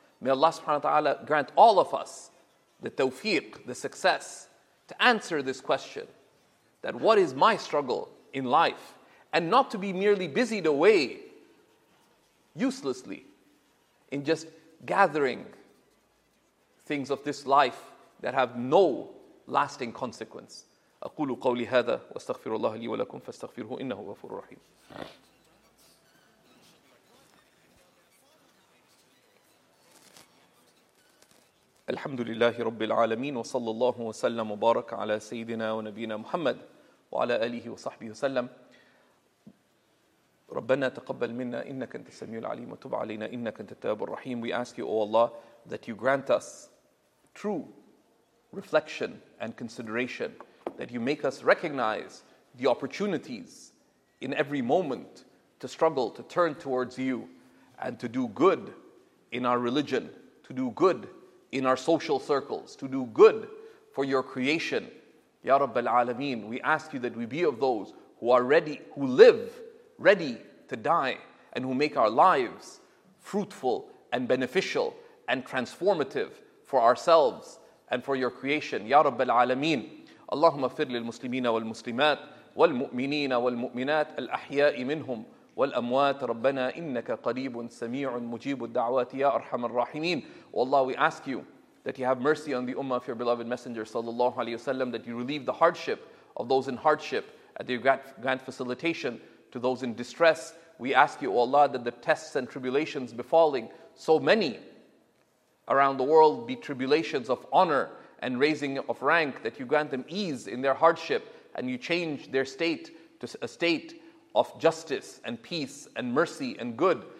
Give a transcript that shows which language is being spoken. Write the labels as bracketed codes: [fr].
[en] May Allah subhanahu wa ta'ala grant all of us the tawfiq, the success, to answer this question, that what is my struggle in life? And not to be merely busied away uselessly in just gathering things of this life that have no lasting consequence. [ar] أقول قولي هذا واستغفر الله لي ولكم فاستغفره إنه غفور رحيم. الحمد لله رب العالمين وصلى الله وسلم وبارك على سيدنا ونبينا محمد وعلى آله وصحبه وسلم. ربنا تقبل منا إنك أنت السميع العليم وتب علينا إنك أنت التواب الرحيم. [en] We ask you, O Allah, that you grant us true reflection and consideration, that you make us recognize the opportunities in every moment to struggle, to turn towards you, and to do good in our religion, to do good in our social circles, to do good for your creation. Ya Rabbal Alameen, we ask you that we be of those who are ready, who live ready to die, and who make our lives fruitful and beneficial and transformative for ourselves and for your creation. Ya Rabbal Alameen. [ar] اللهم اغفر للمسلمين والمسلمات والمؤمنين والمؤمنات الأحياء منهم والأموات ربنا إنك قريب سميع مجيب الدعوات يا أرحم الراحمين. [en] والله, we ask you that you have mercy on the ummah of your beloved messenger sallallahu alayhi wa sallam, that you relieve the hardship of those in hardship, and that you grant facilitation to those in distress. We ask you, O Allah, that the tests and tribulations befalling so many around the world be tribulations of honor and raising of rank, that you grant them ease in their hardship and you change their state to a state of justice and peace and mercy and good.